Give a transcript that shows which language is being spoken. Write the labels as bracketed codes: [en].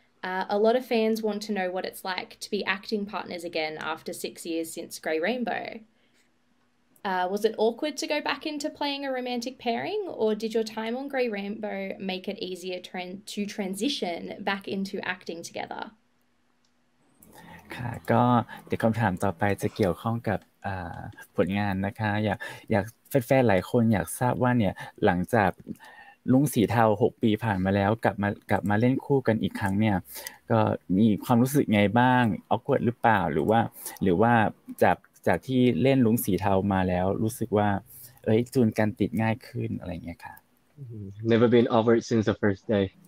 [en] A lot of fans want to know what it's like to be acting partners again after 6 years since Grey Rainbow. Was it awkward to go back into playing a romantic pairing, or did your time on Grey Rainbow make it easier to transition back into acting together? [th] ค่ะก็เดี๋ยวคำถามต่อไปจะเกี่ยวข้องกับผลงานนะคะอยากแฟนๆหลายคนอยากทราบว่าเนี่ยหลังจากลุงสีเทา6ปีผ่านมาแล้วกลับมาเล่นคู่กันอีกครั้งเนี่ยก็มีความรู้สึกไงบ้างออกเวิร์ดหรือเปล่าหรือว่าจากที่เล่นลุงสีเทามาแล้วรู้สึกว่าเอ้ยจูนกันติดง่ายขึ้นอะไรเงี้ยค่ะ [en] Never been awkward since the first day